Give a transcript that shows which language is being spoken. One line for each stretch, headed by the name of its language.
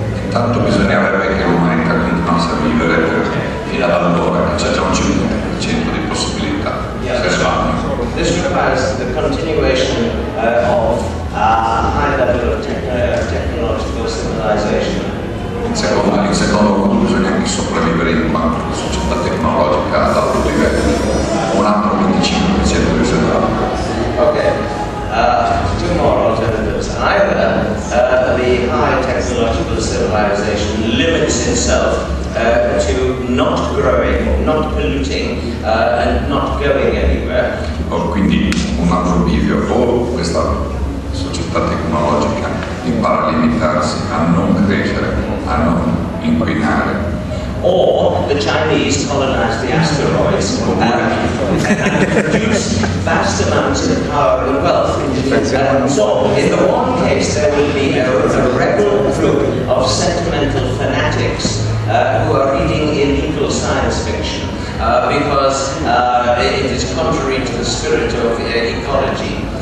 Italian: Tanto bisognerebbe che l'umanità continuasse a vivere fino ad allora, che c'è già un 5% di possibilità.
English: This requires the continuation of a high level of technological civilization.
Italian: In secondo luogo bisogna anche sopravvivere in quanto la società tecnologica ad alto livello, un altro 25% di risultato.
English: Ok, two more alternatives. Either the high technological civilization limits itself to not growing, not polluting and not going anywhere.
Italian: Oh, quindi un altro bivio, o questa società tecnologica impara a limitarsi a non crescere, a non inquinare.
English: Or the Chinese colonize the asteroids and produce vast amounts of power and wealth. So in the one case there will be a rebel group of sentimental fanatics who are reading illegal science fiction because it is contrary to the spirit of ecology.